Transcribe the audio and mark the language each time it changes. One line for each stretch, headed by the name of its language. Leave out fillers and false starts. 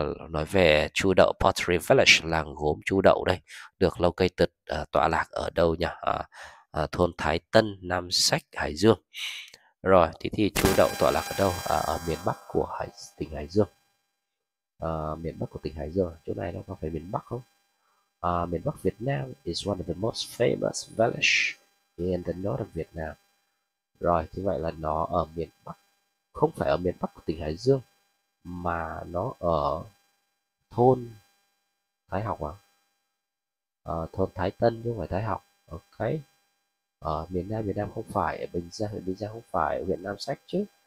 Vietnamese: Nói về chu đậu, Pottery Village, làng gốm chu đậu đây, được located tọa lạc ở đâu nhỉ? Thôn Thái Tân, Nam Sách, Hải Dương. Rồi thì chu đậu tọa lạc ở đâu? Ở miền Bắc của tỉnh Hải Dương. Miền Bắc của tỉnh Hải Dương, chỗ này nó có phải miền Bắc không? Miền Bắc Việt Nam,
English: is one of the most famous village in the north of Việt Nam.
Vietnamese: Rồi thì vậy là nó ở miền Bắc, không phải ở miền Bắc của tỉnh Hải Dương mà nó ở thôn Thái Học à? Thôn Thái Tân chứ không phải Thái Học. Ok. Ở miền Nam không phải, ở Bình Giang không phải, ở huyện Nam Sách chứ.